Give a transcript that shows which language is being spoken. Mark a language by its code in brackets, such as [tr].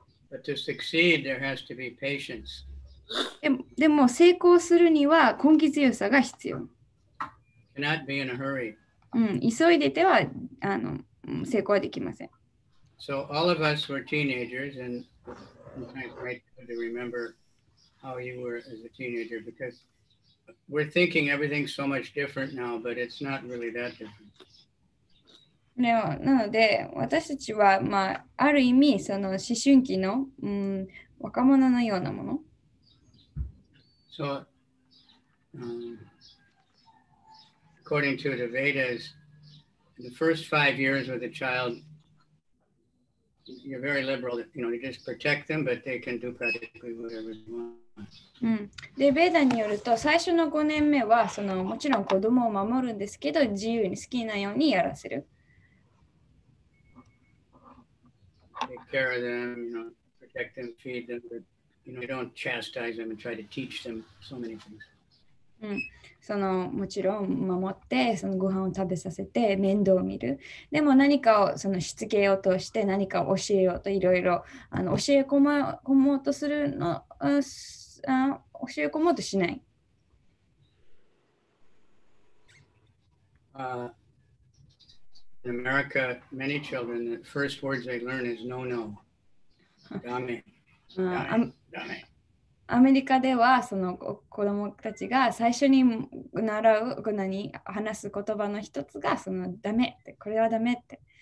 [en] But to succeed, there has to be patience. [ja] でも成功するには根気強さが必要。 [en] Cannot be in a hurry. [ja] うん、急いでてはあの成功はできません。 [en] So all of us were teenagers, and it's great to remember how you were as a teenager because. We're thinking everything's so much different now, but it's not really that different. [ja] No, なので私たちは、まあ、ある意味その思春期の、うん、若者のようなもの。 [en] So, according to the Vedas, the first 5 years with a child, you're very liberal. You know, you just protect them, but they can do practically whatever they want. [ja] うん、でベーダによると最初の5年目はそのもちろん子供を守るんですけど自由に好きなようにやらせる。 [en] Take care of them, you know, protect them, feed them, but you know, you don't chastise them and try to teach them so many things. [ja] うん、そのもちろん守ってそのご飯を食べさせて面倒を見る。でも何かをそのしつけようとして何かを教えようといろいろあの教え込もうとするの。教え込もうとしない。 [en] In America, many children, the first words they learn is no, no. [ja] ダメ。ダメ。アメリカではその子供たちが最初に習う何話す言葉の一つがそのダメってこれはダメって。